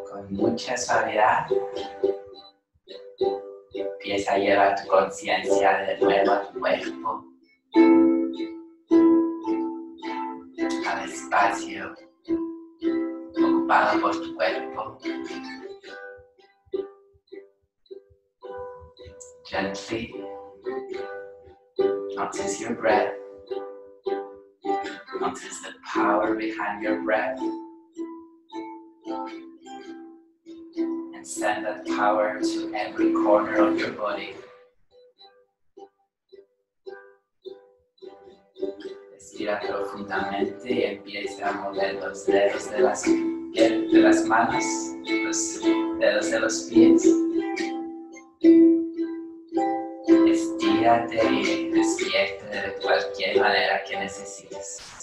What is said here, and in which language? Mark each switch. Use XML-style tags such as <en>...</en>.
<es>Mucha suavidad, empieza a llevar tu conciencia de nuevo a tu cuerpo, al espacio ocupado por tu cuerpo.</es> <en>Gently, notice your breath, notice the power behind your breath. Send that power to every corner of your body.</en> <es>Respira profundamente y empieza a mover los dedos de las manos, los dedos de los pies. Estírate y despierta de cualquier manera que necesites.</es>